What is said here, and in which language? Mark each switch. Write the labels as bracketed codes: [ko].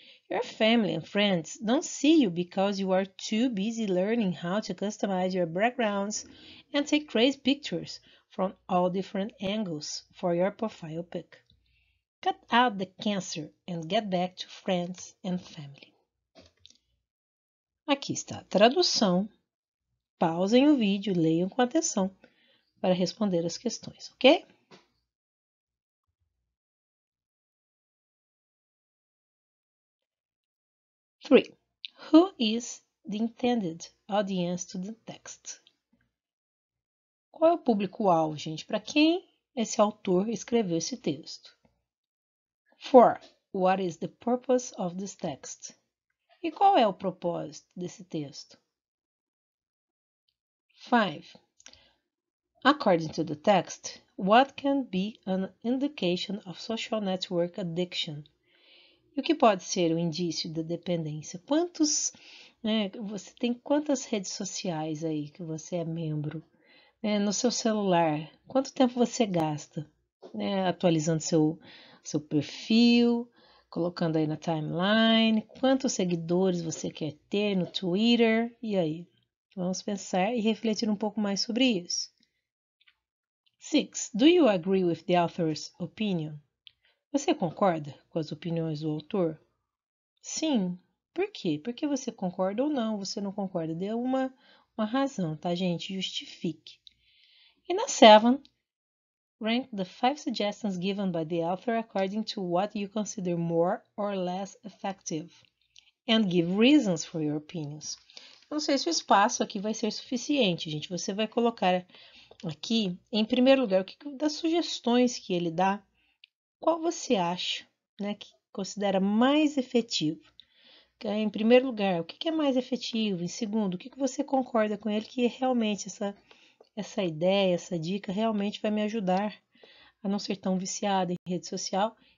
[en] Your family and friends don't see you because you are too busy learning how to customize your backgrounds and take crazy pictures from all different angles for your profile pic. Cut out the cancer and get back to friends and family. [pt] Aqui está a tradução. Pausem o vídeo e leiam com atenção para responder as questões, ok? [en] Three. Who is the intended audience to the text? [pt] Qual é o público-alvo, gente? Para quem esse autor escreveu esse texto? 4. [en] What is the purpose of this text? [pt] E qual é o propósito desse texto? 5. [en] According to the text, what can be an indication of social network addiction? [pt] E o que pode ser um indício de dependência? Quantos, você tem quantas redes sociais aí que você é membro? No seu celular, quanto tempo você gasta, atualizando seu perfil, colocando aí na timeline, quantos seguidores você quer ter no Twitter, e aí? Vamos pensar e refletir um pouco mais sobre isso. 6. [en] Do you agree with the author's opinion? [pt] Você concorda com as opiniões do autor? Sim. Por quê? Porque você concorda ou não, você não concorda. Dê uma razão, tá, gente? Justifique. E na 7, [en] rank the 5 suggestions given by the author according to what you consider more or less effective. And give reasons for your opinions. [pt] Não sei se o espaço aqui vai ser suficiente, gente. Você vai colocar aqui, em primeiro lugar, o que das sugestões que ele dá, qual você acha, que considera mais efetivo. Em primeiro lugar, o que é mais efetivo? Em segundo, o que você concorda com ele que realmente essa ideia, essa dica realmente vai me ajudar a não ser tão viciada em rede social.